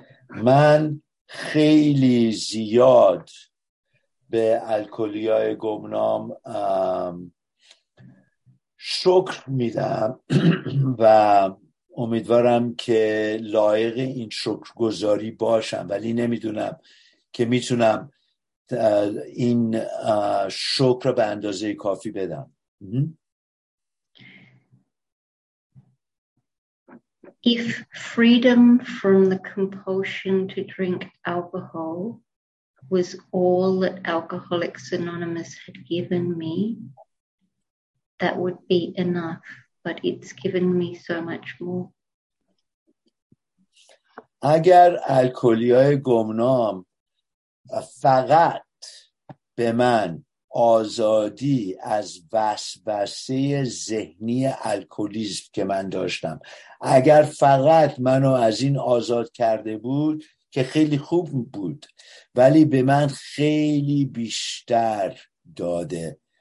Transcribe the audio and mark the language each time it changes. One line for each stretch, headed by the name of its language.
Persian: من خیلی زیاد به الکلیای گمنام شکر میدم و امیدوارم که لایق این شکرگزاری باشم، ولی نمیدونم که میتونم این شکر به اندازه کافی بدم.
English: If freedom from the compulsion to drink alcohol was all that Alcoholics Anonymous had given me, that would be enough, but it's given me so much more.
Persian: اگر الکلیای گمنام فقط به من آزادی از وسوسه ذهنی الکلیسم که من داشتم، اگر فقط منو از این آزاد کرده بود که خیلی خوب بود، ولی به من خیلی بیشتر داده.